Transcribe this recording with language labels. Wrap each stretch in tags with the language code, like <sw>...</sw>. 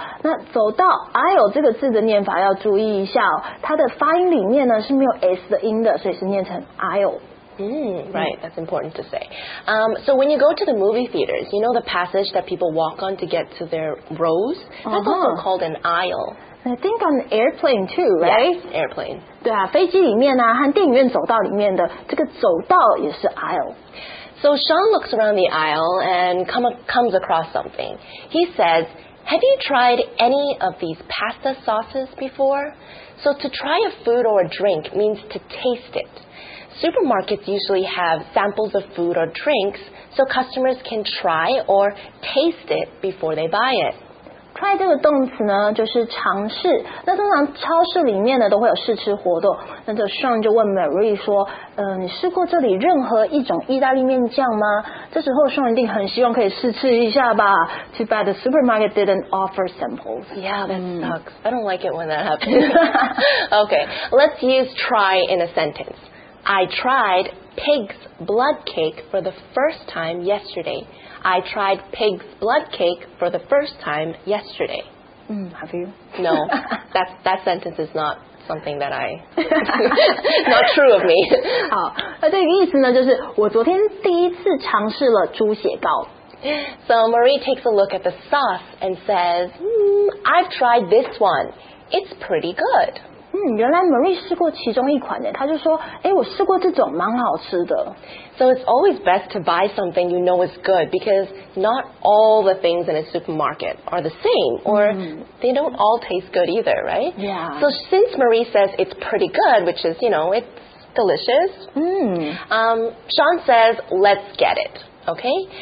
<zh>那走道 aisle 这个字的念法要注意一下、哦、它的发音里面呢是没有 s 的音的，所以是念成 aisle。</zh> <en>Right, that's important to say. So when you go to the movie theaters, you know the passage that people walk on to get to their rows? That's also called an aisle. I think on the airplane too, right? Yes, airplane.</en> <zh>对啊，飞机里面啊，和电影院走道里面的这个走道也是 aisle.</zh> <en>So Sean looks around the aisle and comes across something. He says, Have you tried any of these pasta sauces before? So to try a food or a drink means to taste it. Supermarkets usually have samples of food or drinks so customers can try or taste it before they buy it.</en> <zh>Try 这个动词呢就是尝试，那通常超市里面呢都会有试吃活动，那就 Sean 就问 Marie 说，你试过这里任何一种意大利面酱吗？这时候 Sean 一定很希望可以试吃一下吧。</zh> <en>Too bad the supermarket didn't offer samples. Yeah, that sucks. I don't like it when that happens. Okay, let's use try in a sentence. I tried pig's blood cake for the first time yesterday. I tried pig's blood cake for the first time yesterday. Have you? No, that sentence is not something that I... not true of me.</en> <zh>好，那这个意思呢，就是我昨天第一次尝试了猪血糕。</zh> <en>So Marie takes a look at the sauce and says, I've tried this one. It's pretty good.</en> <zh>原来 Marie 试过其中一款耶，她就说，诶，我试过这种，蛮好吃的。</zh> <en>So it's always best to buy something you know is good because not all the things in a supermarket are the same or they don't all taste good either, right? Yeah. So since Marie says it's pretty good, which is, you know, it's delicious, Sean says, let's get it, okay?</en>